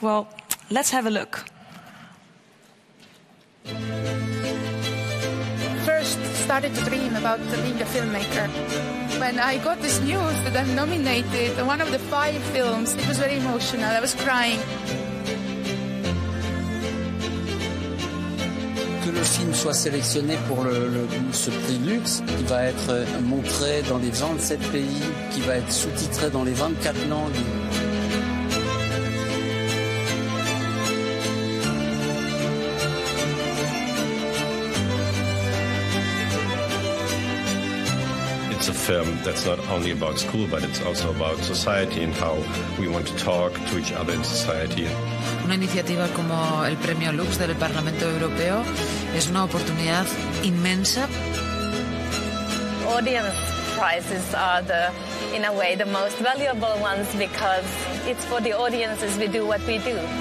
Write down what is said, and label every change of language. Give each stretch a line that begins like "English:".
English: Well, let's have a look. I started to dream about being a filmmaker. When I got this news that I'm nominated in one of the five films, it was very emotional. I was crying.
French: Que le film soit sélectionné pour ce prix LUX, qui va être montré dans les 27 pays, qui va être sous-titré dans les 24 langues.
English: It's a film that's not only about school, but it's also about society and how we want to talk to each other in society.
Spanish: Una iniciativa como el Premio LUX del Parlamento Europeo es una oportunidad inmensa.
English: Audience prizes are the, in a way, the most valuable ones because it's for the audiences we do what we do.